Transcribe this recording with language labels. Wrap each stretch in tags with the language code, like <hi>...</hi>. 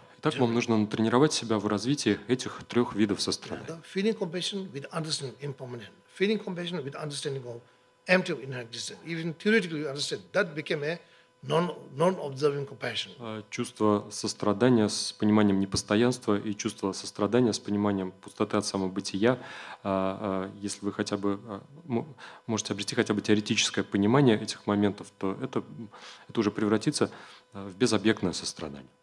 <ru>Итак, вам нужно натренировать себя в развитии этих трех видов сострадания.</ru> <en>Yeah, feeling compassion with understanding impermanent. Feeling compassion with understanding of empty of inner existence. Even theoretically you understand that became a non-observing compassion.</en> <ru>Чувство сострадания с пониманием непостоянства и чувство сострадания с пониманием пустоты от самобытия, если вы хотя бы можете обрести хотя бы теоретическое понимание этих моментов, то это уже превратится в безобъектное сострадание.</ru>